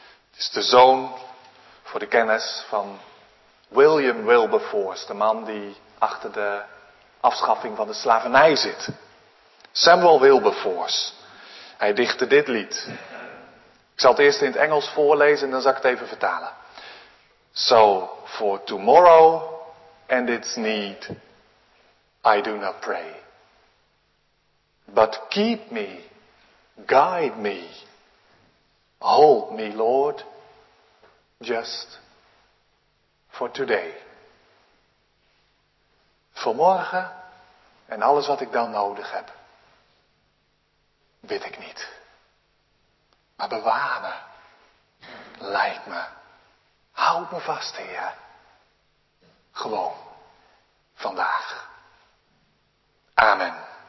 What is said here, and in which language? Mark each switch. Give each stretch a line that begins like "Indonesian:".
Dutch: Het is de zoon, voor de kennis, van William Wilberforce, de man die achter de afschaffing van de slavernij zit. Samuel Wilberforce. Hij dichtte dit lied. Ik zal het eerst in het Engels voorlezen en dan zal ik het even vertalen.
English: So for tomorrow and its need, I do not pray. But keep me, guide me, hold me, Lord, just for today.
Dutch: Voor morgen en alles wat ik dan nodig heb, bid ik niet. Maar bewaar me, leid me, houd me vast, Heer. Gewoon, vandaag. Amen.